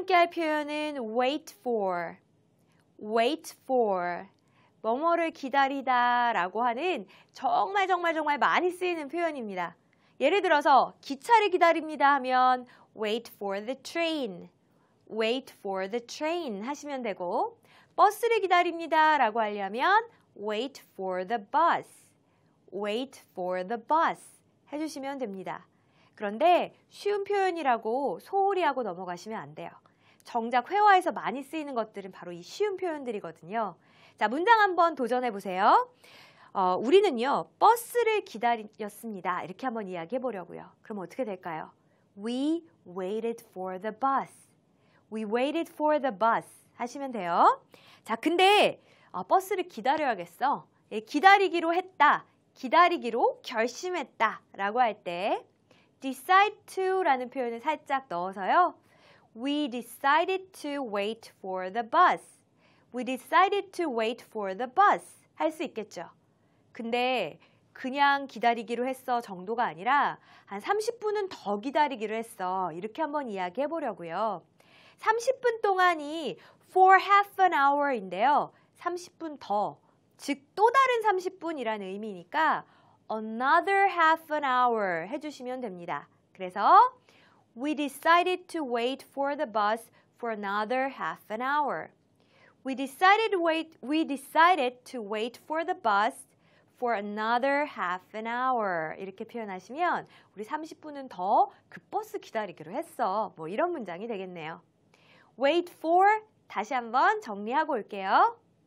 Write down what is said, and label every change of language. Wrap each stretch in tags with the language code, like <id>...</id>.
<ko>함께할 표현은</ko> <en>wait for. Wait for.</en> <ko>뭐뭐를 기다리다 라고 하는 정말 정말 정말 많이 쓰이는 표현입니다. 예를 들어서 기차를 기다립니다 하면</ko> <en>wait for the train. Wait for the train</en> <ko>하시면 되고 버스를 기다립니다 라고 하려면</ko> <en>wait for the bus. Wait for the bus</en> <ko>해주시면 됩니다. 그런데 쉬운 표현이라고 소홀히 하고 넘어가시면 안 돼요. 정작 회화에서 많이 쓰이는 것들은 바로 이 쉬운 표현들이거든요. 자, 문장 한번 도전해 보세요. 우리는요, 버스를 기다렸습니다. 이렇게 한번 이야기해 보려고요. 그럼 어떻게 될까요?</ko> <en>We waited for the bus. We waited for the bus.</en> <ko>하시면 돼요. 자, 근데 버스를 기다려야겠어. 예, 기다리기로 했다. 기다리기로 결심했다. 라고 할 때 decide to라는 표현을 살짝 넣어서요.</ko> <en>We decided to wait for the bus. We decided to wait for the bus.</en> <ko>할 수 있겠죠. 근데 그냥 기다리기로 했어 정도가 아니라 한 30분은 더 기다리기로 했어. 이렇게 한번 이야기해 보려고요. 30분 동안이</ko> <en>for half an hour인데요.</en> <ko>30분 더, 즉 또 다른 30분이라는 의미니까</ko> <en>another half an hour</en> <ko>해주시면 됩니다. 그래서</ko> <en>We decided to wait for the bus for another half an hour. We decided to wait for the bus for another half an hour.</en> <ko>이렇게 표현하시면 우리 30분은 더 그 버스 기다리기로 했어. 뭐 이런 문장이 되겠네요.</ko> <en>Wait for</en> <ko>다시 한번 정리하고 올게요.</ko>